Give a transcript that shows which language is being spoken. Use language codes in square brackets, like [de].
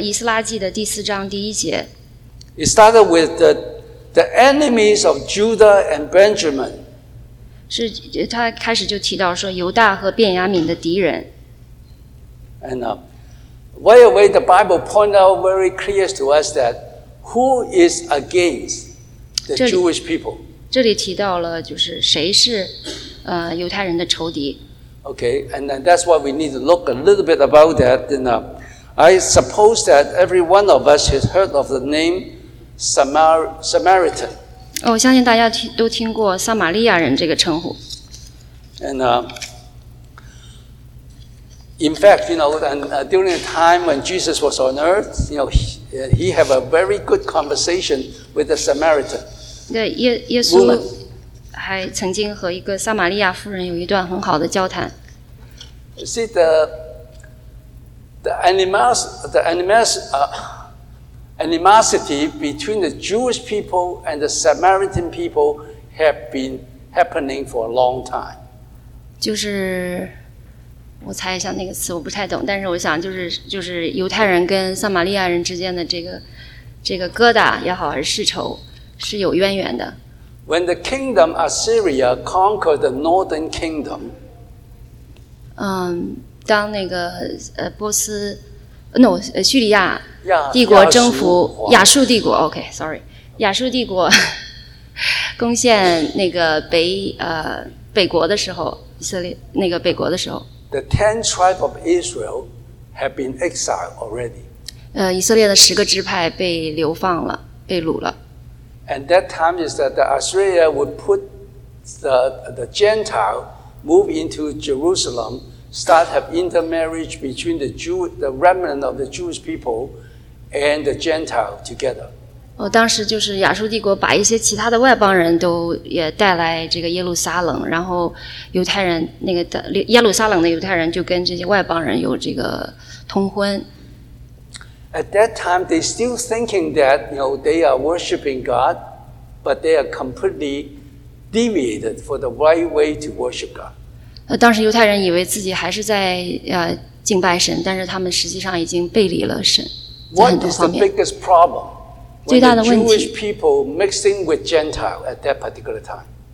[zh] 以斯拉记的第四章第一节。 [en] It started with the enemies of Judah and Benjamin. [zh] 是他开始就提到说犹大和便雅悯的敌人。 [en] By the way, the Bible points out very clear to us that who is against the Jewish people. [zh] 这里提到了就是谁是犹太人的仇敌。 [en] Okay, and then that's why we need to look a little bit about that. And, I suppose that every one of us has heard of the name Samaritan. [zh] 我相信大家都听过撒玛利亚人这个称呼。 [en] In fact, you know, and during the time when Jesus was on earth, you know, he had a very good conversation with a Samaritan. [zh] 对，耶稣还曾经和一个撒玛利亚妇人有一段很好的交谈。 [en] You see the animosity between the Jewish people and the Samaritan people have been happening for a long time. [zh] 就是。我猜一下那个词，我不太懂，但是我想就是犹太人跟撒玛利亚人之间的这个疙瘩也好，还是世仇，是有渊源的。 [en] When the kingdom Assyria conquered the northern kingdom， [zh] 当那个波斯 ， [en] no， [zh] 叙利亚帝国征服亚述帝国 ， [en] OK，sorry， [zh] 亚述帝国攻陷那个北国的时候，以色列那个北国的时候。 [en] The 10 tribes of Israel have been exiled already. [zh] 以色列的十个支派被流放了，被掳了。 [en] And that time is that the Assyria would put the Gentile move into Jerusalem, start have intermarriage between the remnant of the Jewish people and the Gentile together. [zh] 当时就是亚述帝国把一些其他的外邦人都也带来这个耶路撒冷，然后犹太人那个耶路撒冷的犹太人就跟这些外邦人有这个通婚。 [en] At that time, they still thinking that, you know, they are worshiping God, but they are completely deviated for the right way to worship God. [zh] 当时犹太人以为自己还是在敬拜神，但是他们实际上已经背离了神，在很多方面。 [en] What is the biggest problem? [zh] 最大的问题。 [en] When the Jewish people mixing with Gentile at that particular time.